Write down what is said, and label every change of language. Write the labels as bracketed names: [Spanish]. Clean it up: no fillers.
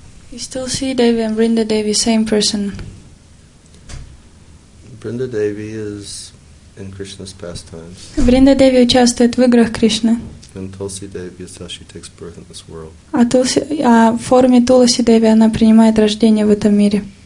[English] You still see Devi and Brinda Devi, same person. Brinda Devi is in Krishna's pastimes. [Russian] Brinda Devi участвует в играх Кришны. [English] And Tulsi Devi is how she takes birth in this world. [Russian] А Тулси, а в форме Тулси Деви она принимает рождение в этом мире.